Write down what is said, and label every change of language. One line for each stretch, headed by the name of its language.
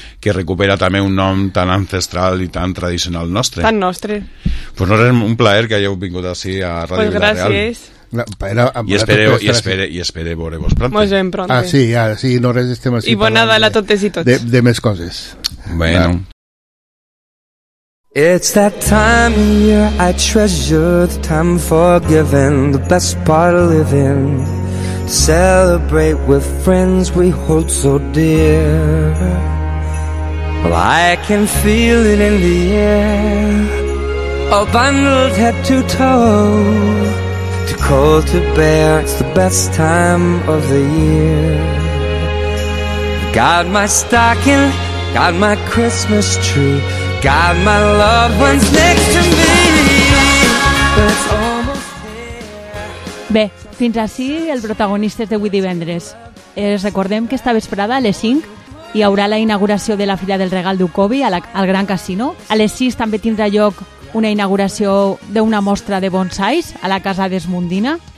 Catalan: que recupera també un nom tan ancestral i tan tradicional nostre. Tan nostre. Pues no és un plaer que hagueu vingut així a Ràdio Vila Real. Pues gràcies. I espere veure-vos pronto. Molt ben pronto. Ah, sí, no res estem així. I bon Nadal a totes i tots. De més coses. Bueno. Va.
English: It's that time of year I treasure, the time for giving, the best part of living, to celebrate with friends we hold so dear. Well, I can feel it in the air, all bundled head to toe, too cold to bear, it's the best time of the year. Got my stocking, got my Christmas tree, got my loved ones next to me.
Catalan: Bé, fins ací el protagonista és d'avui divendres. Recordem que esta vesprada a les 5 hi haurà la inauguració de la Fira del Regal d'Ucovi al Gran Casino. A les 6 també tindrà lloc una inauguració d'una mostra de bonsais a la Casa d'Esmundina.